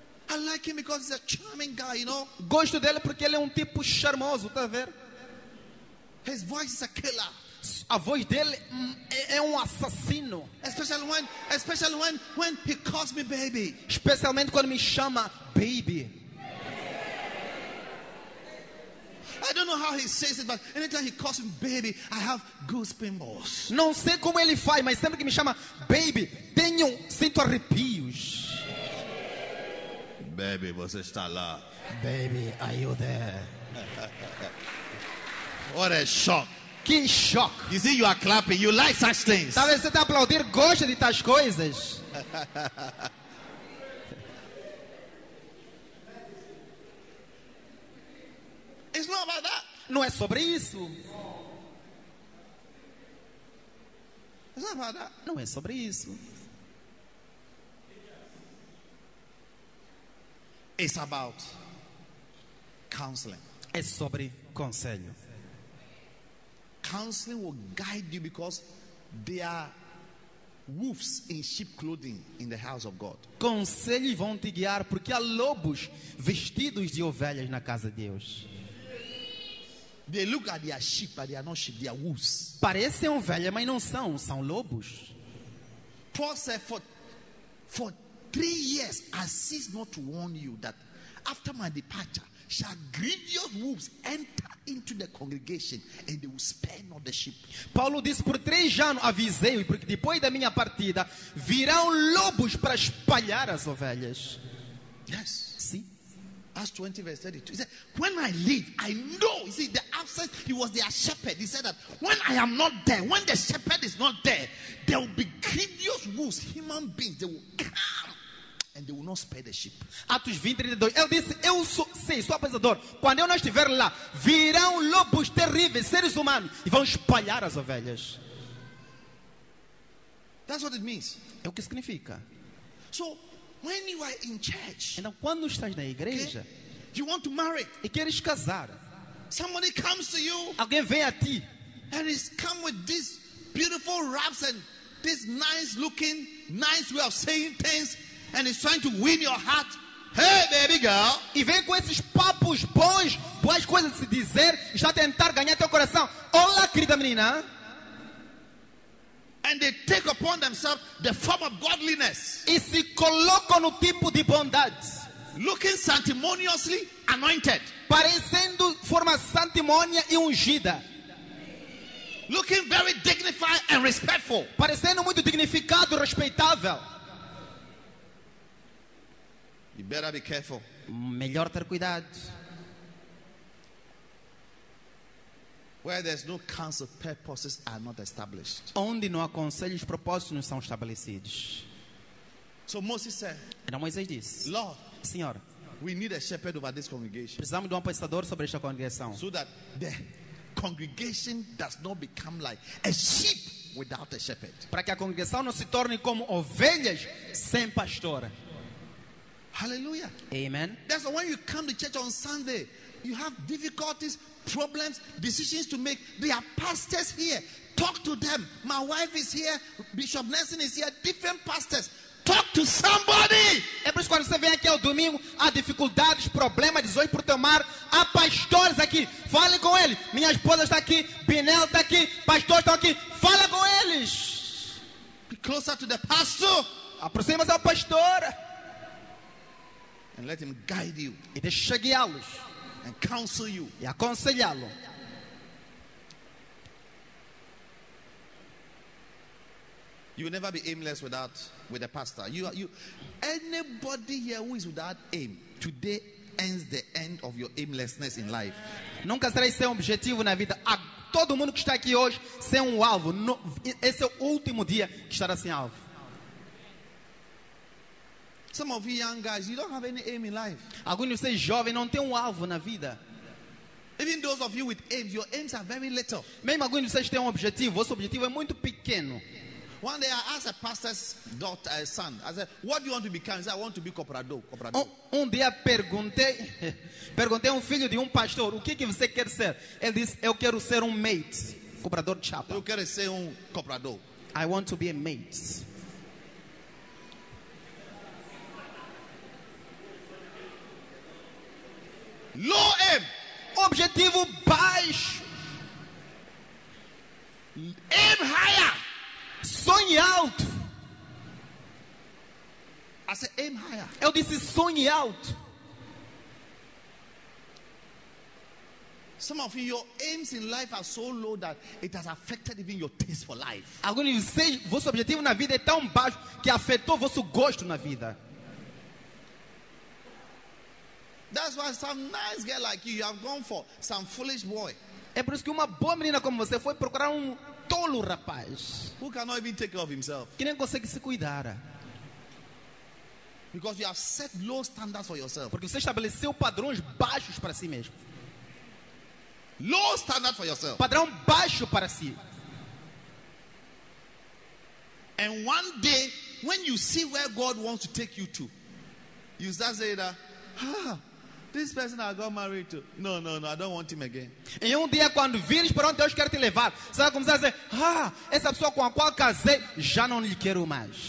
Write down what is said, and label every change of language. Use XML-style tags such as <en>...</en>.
<en>I like him because he's a charming guy, you know.</en> <pt>Gosto dele porque ele é tipo charmoso, tá vendo?</pt> <en>His voice is a killer.</en> <pt>A voz dele é um assassino.</pt> <en>Especially when he calls me baby.</en> <pt>Especialmente quando me chama baby.</pt> <en>I don't know how he says it, but anytime he calls me baby, I have goose pimples.</en> <pt>Não sei como ele faz, mas sempre que me chama baby, sinto arrepios. Baby, você está lá?</pt> <en>Baby, are you there? What a shock!</en> <pt>Que shock!</pt> <en>You see, you are clapping. You like such things.</en> <pt>Talvez você está aplaudindo, gosta de tais coisas.</pt> <en>It's not about that.</en> <pt>Não é sobre isso.</pt> <en>It's not about that.</en> <pt>Não é sobre isso.</pt> <en>It's about counseling.</en> <pt>É sobre conselho.</pt> <en>Counseling will guide you because they are wolves in sheep clothing in the house of God.</en> <pt>Conselho vão te guiar porque há lobos vestidos de ovelhas na casa de Deus.</pt> <en>They look at their sheep, but they are not sheep, they are wolves.</en> <pt>Parecem ovelhas, mas não são, são lobos.</pt> <en>Paul said, for 3 years I cease not to warn you that after my departure shall grievous wolves enter into the congregation and they will spare not the sheep.</en> <pt>Paulo disse, por 3 anos avisei, porque depois da minha partida virão lobos para espalhar as ovelhas.</pt> <en>Yes.</en> <pt>Sim.</pt> <en>Acts 20 verse 32. He said, when I leave, I know. You see, the absence, he was their shepherd. He said that when I am not there, when the shepherd is not there, there will be grievous wolves, human beings, they will come and they will not spare the sheep.</en> <pt>Atos 20, 32. Ele disse, eu sou, sim, sou apresador. Quando eu não estiver lá, virão lobos terríveis, seres humanos, e vão espalhar as ovelhas.</pt> <en>That's what it means.</en> <pt>É o que significa.</pt> <en>So, when you are in church,</en> <pt>então, quando estás na igreja,</pt> <en>okay, you want to marry,</en> <pt>e queres casar,</pt> <en>somebody comes to you,</en> <pt>alguém vem a ti,</pt> <en>and he's come with these beautiful wraps and this nice looking, nice way of saying things, and he's trying to win your heart. Hey, baby girl,</en> <pt>e vem com esses papos bons, boas coisas de se dizer, e está a tentar ganhar teu coração. Olá, querida menina.</pt> <en>And they take upon themselves the form of godliness.</en> <pt>E se colocam no tipo de bondade.</pt> <en>Looking sanctimoniously anointed.</en> <pt>Parecendo forma santimônia e ungida.</pt> <en>Looking very dignified and respectful.</en> <pt>Parecendo muito dignificado e respeitável.</pt> <en>You better be careful.</en> <pt>Melhor ter cuidado.</pt> <en>Where there's no counsel, purposes are not established.</en> <pt>Onde não há conselhos, propósitos não são estabelecidos.</pt> <en>So Moses said.</en> <pt>Então Moisés disse.</pt> <en>Lord,</en> <pt>Senhor,</pt> <en>we need a shepherd over this congregation.</en> <pt>Precisamos de um pastor sobre esta congregação.</pt> <en>So that the congregation does not become like a sheep without a shepherd.</en> <pt>Para que a congregação não se torne como ovelhas sem pastor. Hallelujah. Amen.</pt> <en>That's when you come to church on Sunday, you have difficulties, problems, decisions to make. There are pastors here. Talk to them. My wife is here. Bishop Nelson is here. Different pastors. Talk to somebody.</en> <pt>É por isso que quando você vem aqui ao domingo, há dificuldades, problemas, desonho por tomar. Há pastores aqui. Fale com eles. Minha esposa está aqui. Binel está aqui. Pastores estão aqui. Fala com eles.</pt> <en>Be closer to the pastor.</en> <pt>Aproxima-se ao pastor.</pt> <en>And let him guide you.</en> <pt>E deixe guiá-los.</pt> <en>And counsel you.</en> <pt>E aconselhá-lo.</pt> <en>You will never be aimless without with a pastor. You anybody here who is without aim, today ends the end of your aimlessness in life.</en> <pt>Nunca serei sem objetivo na vida. A todo mundo que está aqui hoje sem um alvo, no, esse é o último dia que estará sem alvo.</pt> <en>Some of you young guys, you don't have any aim in life.</en> <pt>Alguns de vocês jovens não têm um alvo na vida.</pt> <en>Even those of you with aims, your aims are very little.</en> <pt>Mesmo alguns de vocês têm um objetivo, vosso objetivo é muito pequeno.</pt> <en>One day I asked a pastor's daughter, son, I said, "What do you want to become?" He said, "I want to be comprador."</en> <pt>Um dia perguntei a um filho de um pastor, "O que você quer ser?" Ele disse, "Eu quero ser um mate, comprador de chapa." Eu quero ser um comprador.</pt> <en>I want to be a mate. Low aim,</en> <pt>objetivo baixo.</pt> <en>Aim higher.</en> <pt>Sonhe alto.</pt> <en>I said, aim higher.</en> <pt>Eu disse, sonhe alto.</pt> <en>Some of you, your aims in life are so low that it has affected even your taste for life.</en> <pt>Alguns de vocês, vosso objetivo na vida é tão baixo que afetou vosso gosto na vida.</pt> <en>That's why some nice girl like you, you have gone for some foolish boy.</en> <pt>É por isso que uma boa menina como você foi procurar um tolo rapaz.</pt> <en>Who cannot even take care of himself.</en> <pt>Que nem consegue se cuidar.</pt> <en>Because you have set low standards for yourself.</en> <pt>Porque você estabeleceu padrões baixos para si mesmo.</pt> <en>Low standard for yourself.</en> <pt>Padrão baixo para si.</pt> <en>And one day, when you see where God wants to take you to, you start saying that, this person I got married to, no, I don't want him again.</en> <pt>E um dia, quando vires para onde Deus quer te levar, você vai começar a dizer, essa pessoa com a qual casei, já não lhe quero mais.</pt>